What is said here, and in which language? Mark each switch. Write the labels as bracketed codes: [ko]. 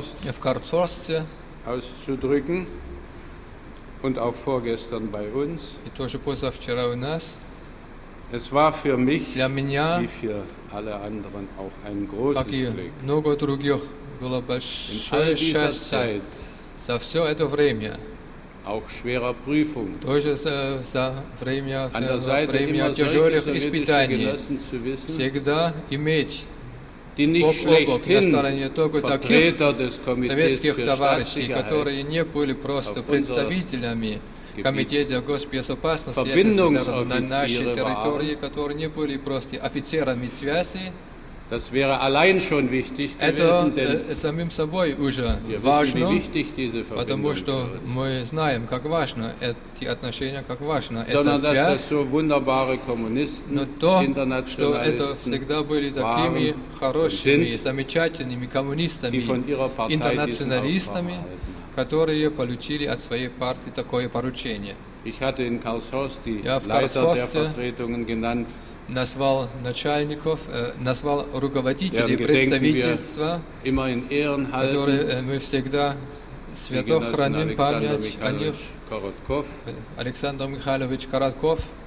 [ru] в Карлсхорсте [de] auszudrücken und auch vorgestern bei uns. [ru] И тоже позавчера у нас. [de] Es war für mich, [ru] для меня, [de] wie für alle anderen, auch ein großes Glück. [ru] Как и много других, было большое счастье за все это время. [de] Auch schwerer Prüfung. [ru] Тоже за время, время тяжелых испытаний. Всегда иметь [de] die nicht schlechthin Vertreter des Komitees für Staatssicherheit, [ru] которые не были просто представителями Комитета госбезопасности СССР на нашей территории, которые не были просто офицерами связи. [de] Das wäre allein schon wichtig gewesen, denn wir wissen, wie wichtig diese Verbindung ist. Sondern dass das so wunderbare Kommunisten, Internationalisten waren und sind, die von ihrer Partei diesen Auftrag [ru] которые получили от своей партии такое поручение. Я в Карлсхорсте назвал начальников, назвал руководителей представительства, которые мы всегда свято храним память о них, Александр Михайлович Коротков,